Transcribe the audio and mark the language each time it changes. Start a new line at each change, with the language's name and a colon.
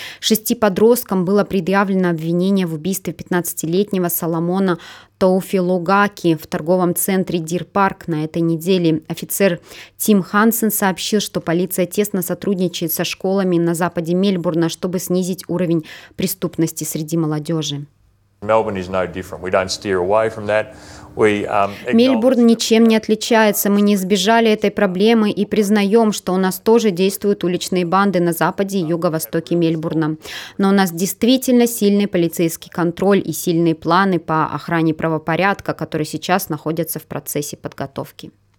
Russian: Шести подросткам было предъявлено обвинение в убийстве 15-летнего Соломона Тоуфи Логаки в торговом центре Дир Парк на этой неделе. Офицер Тим Хансен сообщил, что полиция тесно сотрудничает со школами на западе Мельбурна, чтобы снизить уровень преступности среди молодежи.
English: Melbourne is no different. We don't steer away from that.
Russian: Мельбурн ничем не отличается. Мы не избежали этой проблемы и признаем, что у нас тоже действуют уличные банды на западе и юго-востоке Мельбурна. Но у нас действительно сильный полицейский контроль и сильные планы по охране правопорядка, которые сейчас находятся в процессе подготовки.